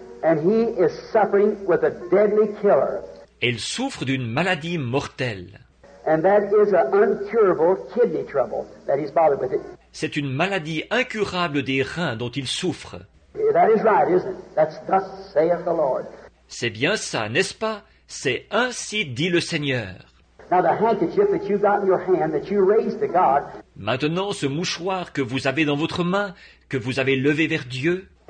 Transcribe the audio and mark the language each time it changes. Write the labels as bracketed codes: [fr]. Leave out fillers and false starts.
[en] And he is suffering with a deadly killer. [fr] Et il souffre d'une maladie mortelle. [en] And that is an incurable kidney trouble that he's bothered with. [fr] C'est une maladie incurable des reins dont il souffre. [en] That is right, isn't it? That's thus saith the Lord. [fr] C'est bien ça, n'est-ce pas? C'est ainsi dit le Seigneur. [en] Now the handkerchief that you got in your hand that you raised to God. [fr] Maintenant, ce mouchoir que vous avez dans votre main, que vous avez levé vers Dieu.